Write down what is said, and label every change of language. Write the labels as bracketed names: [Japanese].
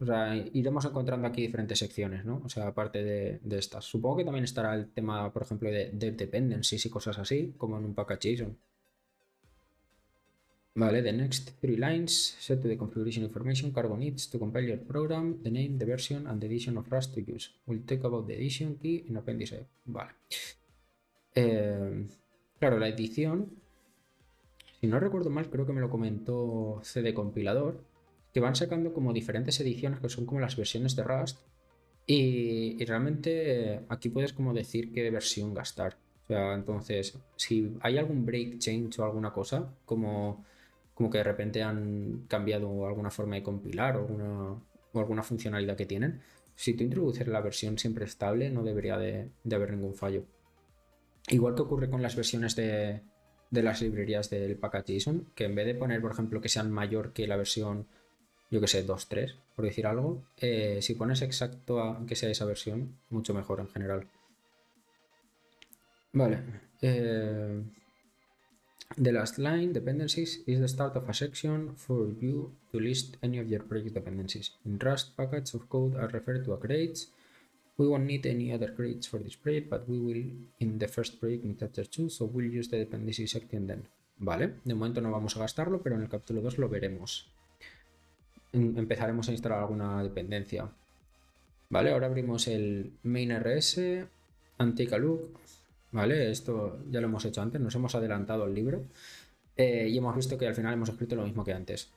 [Spanish] O sea, iremos encontrando aquí diferentes secciones, ¿no? O sea, aparte de estas. Supongo que también estará el tema, por ejemplo, de dependencies y cosas así, como en un package JSON. [English] Vale, the next three lines, set to the configuration information, cargo needs to compile your program, the name, the version, and the edition of Rust to use. We'll talk about the edition key in appendix A. [Spanish] Vale. Claro, la edición. Si no recuerdo mal, creo que me lo comentó CD Compilador, que van sacando como diferentes ediciones que son como las versiones de Rust y realmente aquí puedes como decir qué versión gastar. O sea, entonces, si hay algún break change o alguna cosa, como que de repente han cambiado alguna forma de compilar o alguna funcionalidad que tienen, si tú introduces la versión siempre estable, no debería de haber ningún fallo. Igual que ocurre con las versiones de las librerías del package JSON, que en vez de poner, por ejemplo, que sean mayor que la versión, yo que sé, 2.3, por decir algo, si pones exacto a que sea esa versión, mucho mejor en general. Vale. [English] The last line, dependencies, is the start of a section for you to list any of your project dependencies. In Rust, packages of code are referred to as crates. We won't need any other crates for this project, but we will in the first project in chapter 2, so we'll use the dependency section then. [Spanish] Vale, de momento no vamos a gastarlo, pero en el capítulo 2 lo veremos. Empezaremos a instalar alguna dependencia. Vale, ahora abrimos el main RS [English] and take a look. [Spanish] Vale, esto ya lo hemos hecho antes, nos hemos adelantado al libro y hemos visto que al final hemos escrito lo mismo que antes.